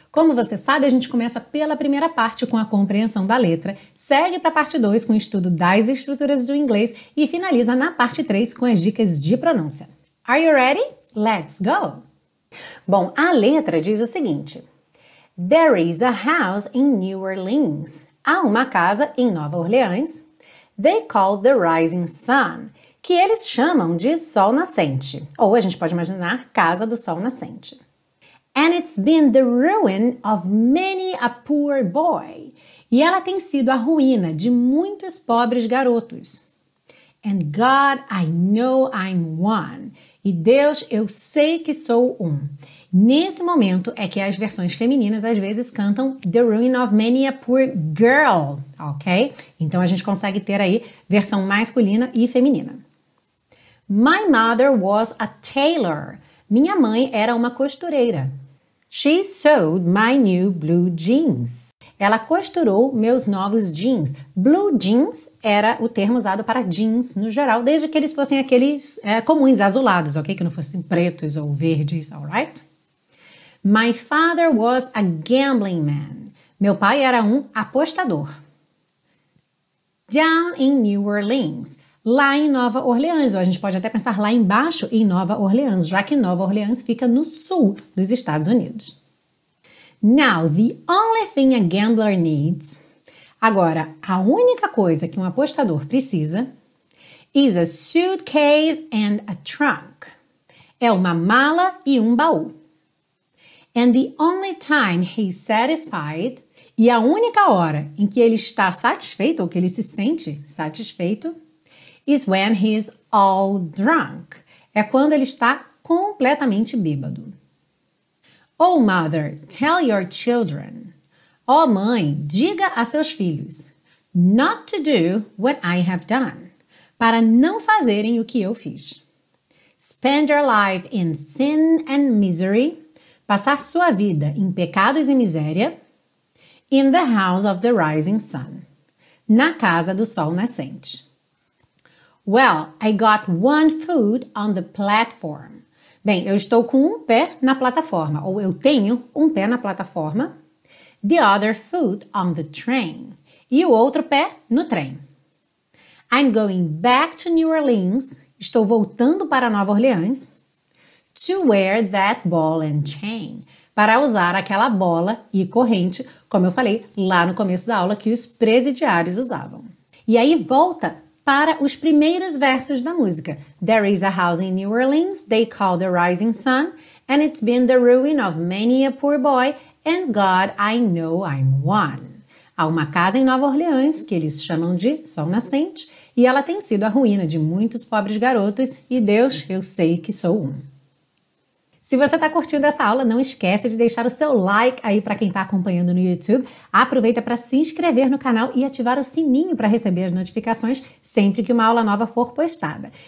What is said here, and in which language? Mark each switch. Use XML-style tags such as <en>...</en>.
<pt>Como você sabe, a gente começa pela primeira parte com a compreensão da letra, segue para a parte 2 com o estudo das estruturas do inglês e finaliza na parte 3 com as dicas de pronúncia.</pt> <en>Are you ready? Let's go!</en> <pt>Bom, a letra diz o seguinte.</pt> <en>There is a house in New Orleans.</en> <pt>Há uma casa em Nova Orleans.</pt> <en>They call the rising sun,</en> <pt>que eles chamam de sol nascente. Ou a gente pode imaginar casa do sol nascente.</pt> <en>And it's been the ruin of many a poor boy.</en> <pt>E ela tem sido a ruína de muitos pobres garotos.</pt> <en>And God, I know I'm one.</en> <pt>E Deus, eu sei que sou um. Nesse momento é que as versões femininas às vezes cantam</pt> <en>The Ruin of Many a Poor Girl,</en> <pt>ok? Então a gente consegue ter aí versão masculina e feminina.</pt> <en>My mother was a tailor.</en> <pt>Minha mãe era uma costureira.</pt> <en>She sewed my new blue jeans.</en> <pt>Ela costurou meus novos jeans. Blue jeans era o termo usado para jeans no geral, desde que eles fossem aqueles comuns, azulados, ok? Que não fossem pretos ou verdes, alright?</pt> <en>My father was a gambling man.</en> <pt>Meu pai era um apostador.</pt> <en>Down in New Orleans.</en> <pt>lá em Nova Orleans, ou a gente pode até pensar lá embaixo em Nova Orleans, já que Nova Orleans fica no sul dos Estados Unidos.</pt> <en>Now, the only thing a gambler needs,</en> <pt>agora, a única coisa que um apostador precisa,</pt> <en>is a suitcase and a trunk,</en> <pt>é uma mala e um baú.</pt> <en>And the only time he's satisfied,</en> <pt>e a única hora em que ele está satisfeito, ou que ele se sente satisfeito,</pt> <en>is when he's all drunk.</en> <pt>É quando ele está completamente bêbado.</pt> <en>Oh, mother, tell your children.</en> <pt>Oh, mãe, diga a seus filhos.</pt> <en>Not to do what I have done.</en> <pt>Para não fazerem o que eu fiz.</pt> <en>Spend your life in sin and misery.</en> <pt>Passar sua vida em pecados e miséria.</pt> <en>In the house of the rising sun.</en> <pt>Na casa do sol nascente.</pt> <en>Well, I got one foot on the platform.</en> <pt>Bem, eu estou com um pé na plataforma, ou eu tenho um pé na plataforma.</pt> <en>The other foot on the train.</en> <pt>E o outro pé no trem.</pt> <en>I'm going back to New Orleans.</en> <pt>Estou voltando para Nova Orleans.</pt> <en>To wear that ball and chain.</en> <pt>Para usar aquela bola e corrente, como eu falei lá no começo da aula, que os presidiários usavam. E aí volta para os primeiros versos da música.</pt> <en>There is a house in New Orleans, they call the rising sun, and it's been the ruin of many a poor boy, and God, I know I'm one.</en> <pt>Há uma casa em Nova Orleans, que eles chamam de Sol Nascente, e ela tem sido a ruína de muitos pobres garotos, e Deus, eu sei que sou um. Se você está curtindo essa aula, não esquece de deixar o seu like aí para quem está acompanhando no YouTube. Aproveita para se inscrever no canal e ativar o sininho para receber as notificações sempre que uma aula nova for postada.</pt>